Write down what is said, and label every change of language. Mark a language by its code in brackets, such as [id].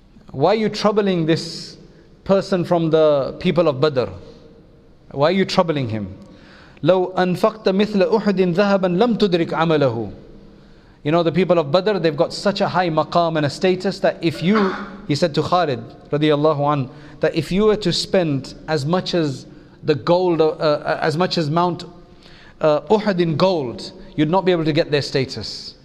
[en] Why are you troubling this person from the people of Badr? Why are you troubling him? [ar] لو أنفقت مثل أحد ذهبا لم تدرك عمله. [en] You know, the people of Badr, they've got such a high maqam and a status that if you, he said to Khalid radiallahu anhu, that if you were to spend as much as the gold, as much as Mount Uhud in gold, you'd not be able to get their status.